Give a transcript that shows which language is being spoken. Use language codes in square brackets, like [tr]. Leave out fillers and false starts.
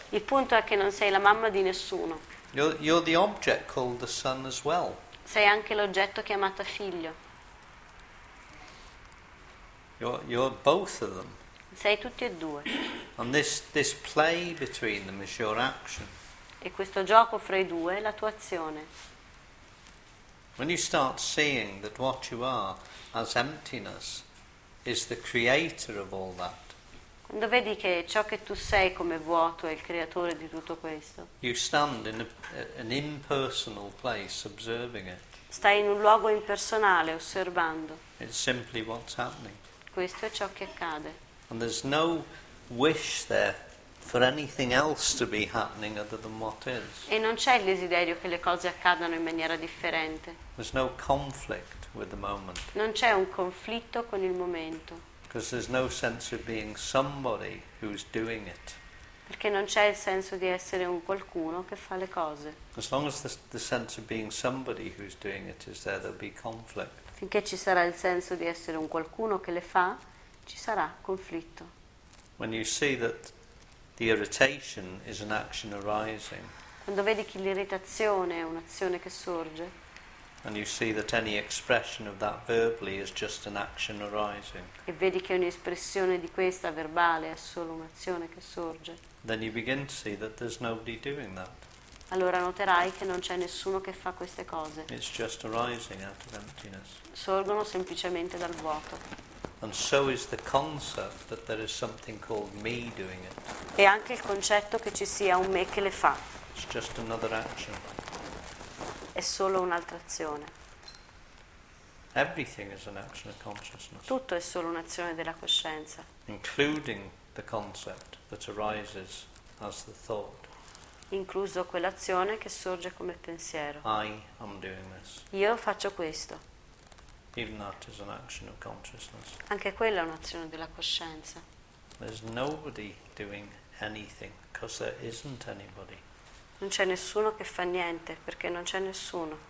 [it] Il punto è che non sei la mamma di nessuno. [en] You're the object called the son as well. [it] Sei anche l'oggetto chiamato figlio. [en] You're both of them. [it] Sei tutti e due. [en] And this play between them is your action. [it] E questo gioco fra i due è la tua azione. [en] When you start seeing that what you are as emptiness is the creator of all that. [it] Quando vedi che ciò che tu sei come vuoto è il creatore di tutto questo. [en] You stand in an impersonal place observing it. [it] Stai in un luogo impersonale osservando. [en] It's simply what's happening. [it] Questo è ciò che accade. [en] And there's no wish there for anything else to be happening other than what is. [it] E non c'è il desiderio che le cose accadano in maniera differente. [en] There's no conflict with the moment. [it] Non c'è un conflitto con il momento. [en] Because there's no sense of being somebody who's doing it. [it] Perché non c'è il senso di essere un qualcuno che fa le cose. [en] As long as the sense of being somebody who's doing it is there, there'll be conflict. [it] Finché ci sarà il senso di essere un qualcuno che le fa, ci sarà conflitto. [en] When you see that the irritation is an action arising. [it] Quando vedi che l'irritazione è un'azione che sorge. [en] And you see that any expression of that verbally is just an action arising. [it] E vedi che un'espressione di questa verbale è solo un'azione che sorge. [en] Then you begin to see that there's nobody doing that. [it] Allora noterai che non c'è nessuno che fa queste cose. [en] It's just arising out of emptiness. [it] Sorgono semplicemente dal vuoto. [en] And so is the concept that there is something called me doing it. [it] E anche il concetto che ci sia un me che le fa. [en] It's just another action. [it] È solo un'altra azione. [en] Everything is an action of consciousness. [it] Tutto è solo un'azione della coscienza. [en] Including the concept that arises as the thought. [it] Incluso quell'azione che sorge come pensiero. [en] I am doing this. [it] Io faccio questo. [en] Even that is an action of consciousness. [it] Anche quella è un'azione della coscienza. [en] There's nobody doing anything because there isn't anybody. [it] Non c'è nessuno che fa niente perché non c'è nessuno.